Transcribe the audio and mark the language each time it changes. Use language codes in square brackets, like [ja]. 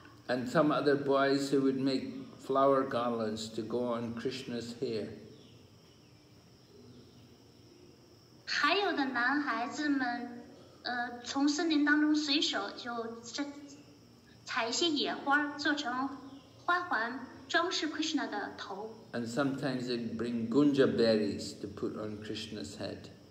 [en] And some other boys who would make flower garlands to go on Krishna's hair. [zh] 还有的男孩子们从森林当中随手就采一些野花做成花环装饰Krishna的头 [en] And sometimes they bring gunja berries to put on Krishna's head.